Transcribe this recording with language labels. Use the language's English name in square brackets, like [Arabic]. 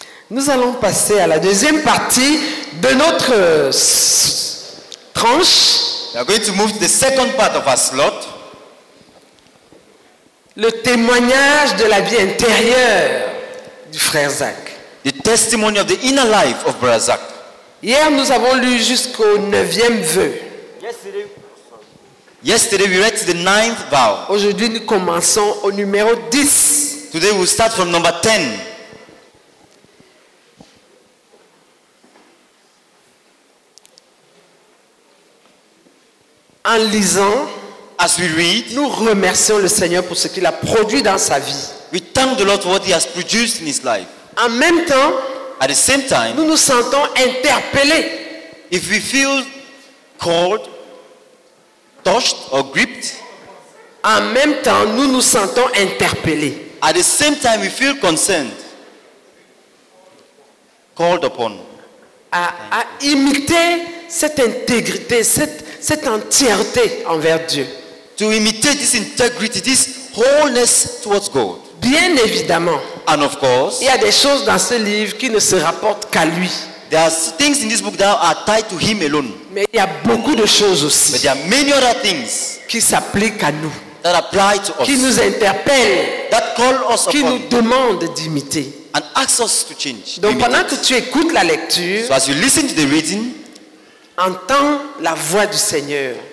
[French] Nous allons passer à la deuxième partie de notre tranche. [English] We are going to move to the second part of our slot. [French] Le témoignage de la vie intérieure du frère Zach. [English] The testimony of the inner life of Brother Zach. [French] Hier, nous avons lu jusqu'au neuvième vœu. [English] Yesterday, we read to the ninth vow. [French] Aujourd'hui, nous commençons au numéro 10. [English] Today, we start from number 10. [French] En lisant, [English] as we read, [French] nous remercions le Seigneur pour ce qu'il a produit dans sa vie. [English] We thank the Lord for what he has produced in his life. [French] En même temps, [English] at the same time, [French] nous nous sentons interpellés. [English] If we feel called, touched or gripped, [French] en même temps, nous nous sentons interpellés. [English] At the same time, we feel concerned, called upon, [French] à imiter cette intégrité, cette entièreté envers Dieu. [English] To imitate this integrity, this wholeness towards God. [French] Bien évidemment. [English] And of course, [French] il y a des choses dans ce livre qui ne se rapportent qu'à lui. [English] There are things in this book that are tied to him alone. [French] Mais il y a beaucoup de choses aussi. [English] But there are many other things [French] qui s'appliquent à nous. [English] That apply to us. [French] Qui nous interpellent. [English] That call us [French] qui [English] upon [French] nous demande d'imiter. [English] And ask us to change. [French] Donc pendant que tu écoutes la lecture, [English] so as you listen to the reading, [French] entends la voix du Seigneur.